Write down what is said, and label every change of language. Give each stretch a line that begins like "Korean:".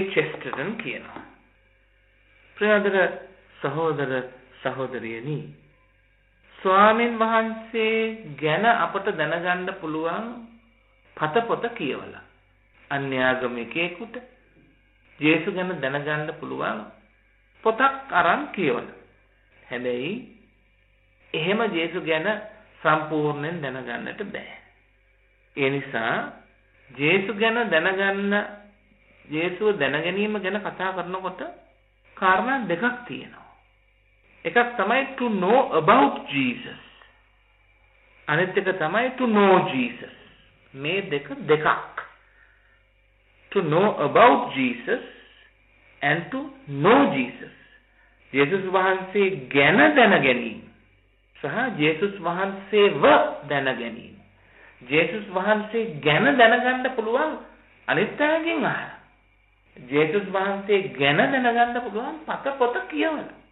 Sinhala: Chesterton කියනවා. ප්‍රියදර සහෝදර සහෝදරියනි, ස්වාමීන් වහන්සේ ගැන අපට දැනගන්න පුළුවන් පත පොත කියවලා අන්‍යාගමිකයෙකුට ජේසු ගැන දැනගන්න පුළුවන් පොතක් අරන් කියවන. හැබැයි එහෙම ජේසු ගැන සම්පූර්ණයෙන් දැනගන්නට බෑ. ඒ නිසා ජේසු ගැන දැනගන්න, ජේසුව දැනගැනීම ගැන කතා කරනකොට කාරණා දෙකක් තියෙනවා. එකක් තමයි
English: to know about Jesus.
Sinhala: අනෙත් එක තමයි
English: to know Jesus.
Sinhala: මේ දෙක දෙකක්.
English: To know about Jesus and to know Jesus.
Sinhala: Jesus වහන්සේ ගැන දැනගැනීම සහ Jesus වහන්සේව දැනගැනීම. Jesus වහන්සේ ගැන දැනගන්න පුළුවන් අනිත් අයගෙන් අහන. Jesus වහන්සේ ගැන දැනගන්න පුළුවන් පත පොත කියවන.